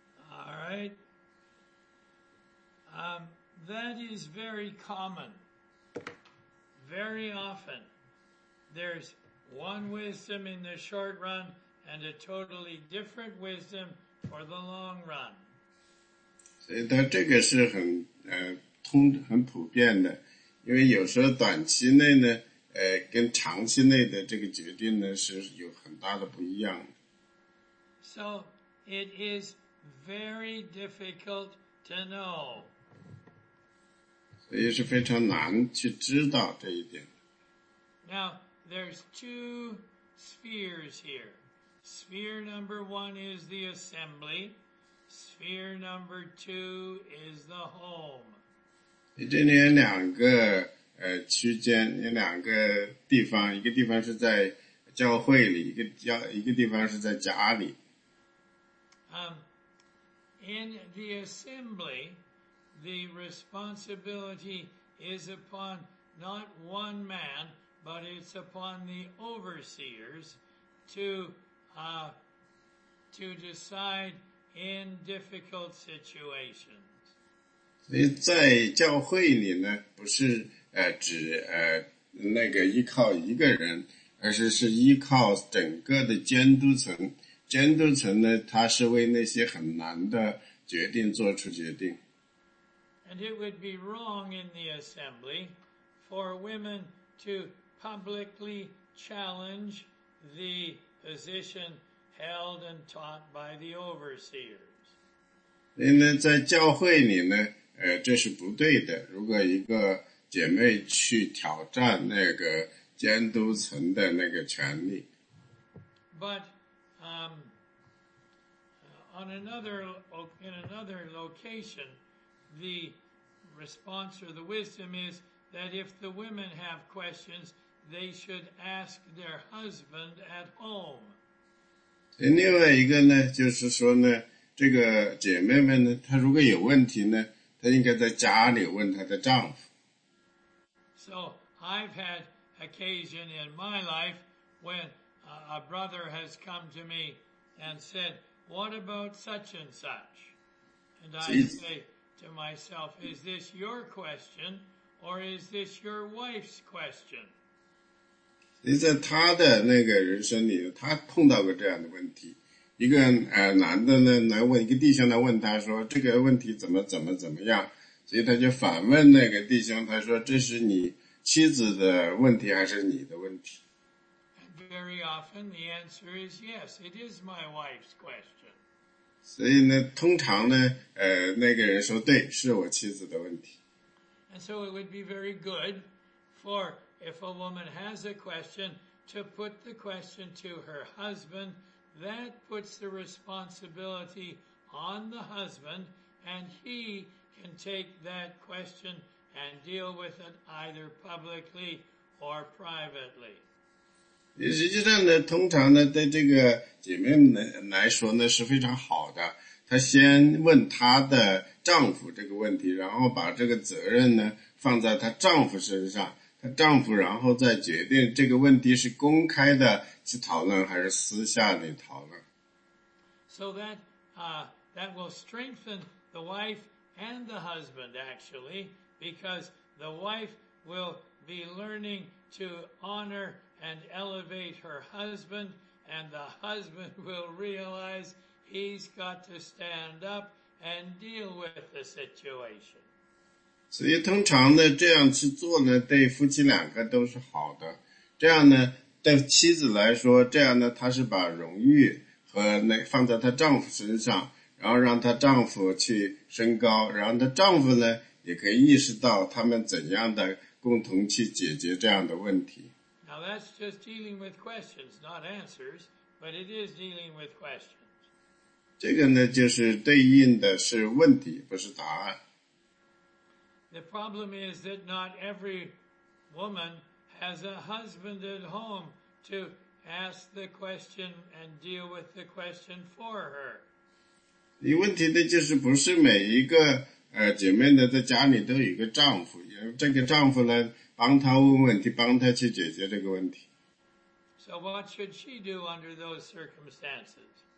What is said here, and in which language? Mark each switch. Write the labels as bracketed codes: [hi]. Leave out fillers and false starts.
[en] All right. That is very common. Very often, there's one wisdom in the short run and a totally different wisdom for the long run. [zh] 所以他这个是很普遍的，因为有时候短期内呢，跟长期内的这个决定呢是有很大的不一样的。 [en] So it is very difficult to know. [zh] 所以是非常难去知道这一点。 [en] Now,There's two spheres here. Sphere number one is the assembly. Sphere number two is the home. [zh] 这里有两个区间，有两个地方，一个地方是在教会里，一个地方是在家里。 [en] In the assembly, the responsibility is upon not one man,But it's upon the overseers to decide in difficult situations. [zh] 所以在教会里呢，不是指那个依靠一个人，而是依靠整个的监督层。监督层呢，他是为那些很难的决定做出决定。 [en] And it would be wrong in the assembly for women to. Publicly challenge the position held and taught by the overseers. [zh] 所以呢，在教会里呢，这是不对的。如果一个姐妹去挑战那个监督层的那个权利。 [en] But, in another location, the response or the wisdom is that if the women have questions,They should ask their husband at home. [zh] 另外一个呢，就是说呢，这个姐妹们呢，她如果有问题呢，她应该在家里问她的丈夫。 [en] So I've had occasion in my life when a brother has come to me and said, "What about such and such?" And I say, to myself, is this your question or is this your wife's question? [zh] 你在他的那个人生里，他碰到过这样的问题。一个男的呢，来问一个弟兄，来问他说这个问题怎么样，所以他就反问那个弟兄，他说这是你妻子的问题还是你的问题？ [en] And very often the answer is yes, it is my wife's question. [zh] 所以呢，通常呢，那个人说对，是我妻子的问题。 [en] And so it would be very good for if a woman has a question to put the question to her husband. That puts the responsibility on the husband, and he can take that question and deal with it either publicly or privately. [zh] 实际上呢，通常呢，对这个姐妹们来说呢是非常好的。她先问她的丈夫这个问题，然后把这个责任呢放在她丈夫身上。她丈夫然后再决定这个问题是公开的。去讨论还是私下里讨论 [en] ？So that that will strengthen the wife and the husband actually, because the wife will be learning to honor and elevate her husband, and the husband will realize he's got to stand up and deal with the situation. [zh] 所以通常呢，这样去做呢，对夫妻两个都是好的。这样呢。对妻子来说，这样呢，她是把荣誉和那放在她丈夫身上，然后让她丈夫去升高，然后她丈夫呢，也可以意识到他们怎样的共同去解决这样的问题。 [en] Now that's just dealing with questions, not answers, but it is dealing with questions. [zh] 这个呢，就是对应的是问题，不是答案。 [en] The problem is that not every woman. As a husband at home to ask the question and deal with the question for her. [zh] 你问题的就是不是每一个姐妹呢在家里都有一个丈夫，这个丈夫呢帮她问问题，帮她去解决这个问题。 [en] So what should she do under those circumstances?